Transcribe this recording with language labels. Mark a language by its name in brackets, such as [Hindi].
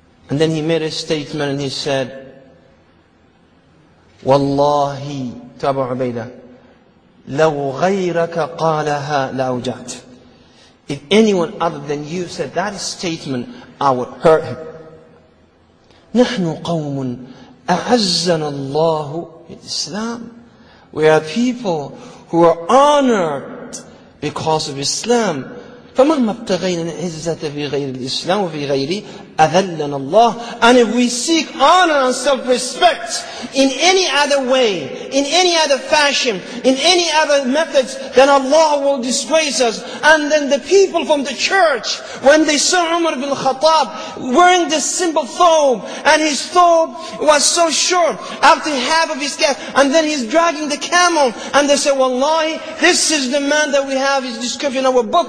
[English] And then he made a statement and he said, وَاللَّهِ to Abu Ubaidah, [Arabic] لَوْ غَيْرَكَ قَالَهَا لَأَوْجَعْتَ [English] if anyone other than you said that statement, I would hurt him. [Arabic] نحن قوم أعزنا الله الإسلام. [English] We are people who are honored because of Islam. [Arabic] فمهما ابتغينا العزة في غير الإسلام وفي غيره أذلنا الله. [English] And if we seek honor and self-respect in any other way, in any other fashion, in any other methods, then Allah will disgrace us. And then the people from the church, when they saw Umar ibn Khattab wearing this simple thobe, and his thobe was so short after half of his cap, and then he's dragging the camel, and they say, wallahi, this is the man that we have his description in our book.